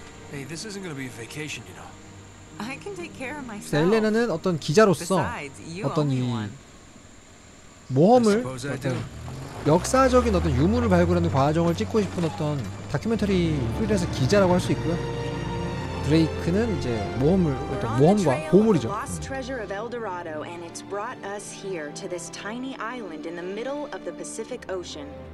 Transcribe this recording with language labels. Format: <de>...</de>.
<en>Hey, this isn't going to be a vacation, you know. I can take care of myself.</en> <ko>엘레나는 어떤 기자로서 어떤 이 모험을 어떤 역사적인 어떤 유물을 발굴하는 과정을 찍고 싶은 어떤 다큐멘터리 프리랜서 기자라고 할 수 있고요. 드레이크는 이제 모험을 어떤 모험과 보물이죠.</ko> <en>Lost treasure of El Dorado and it's brought us here to this tiny island in the middle of the Pacific Ocean.</en>